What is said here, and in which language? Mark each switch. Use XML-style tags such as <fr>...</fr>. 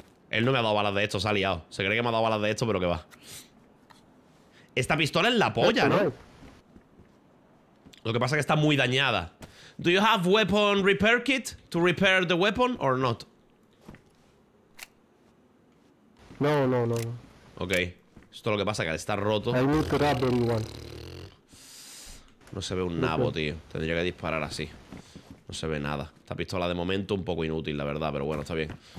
<es>Él no me ha dado balas de esto, se ha liado. Se cree que me ha dado balas de esto, pero que va. Esta pistola es la polla, ¿no? Lo que pasa es que está muy dañada.</es> <en>Do you have weapon repair kit to repair the weapon or not? No, no, no, no. Ok.</en> <es>Esto es lo que pasa, que al estar roto.</es> <en>I need to grab everyone.</en> <es>No se ve un nabo, tío. Tendría que disparar así. No se ve nada. Esta pistola de momento un poco inútil, la verdad, pero bueno, está bien.</es>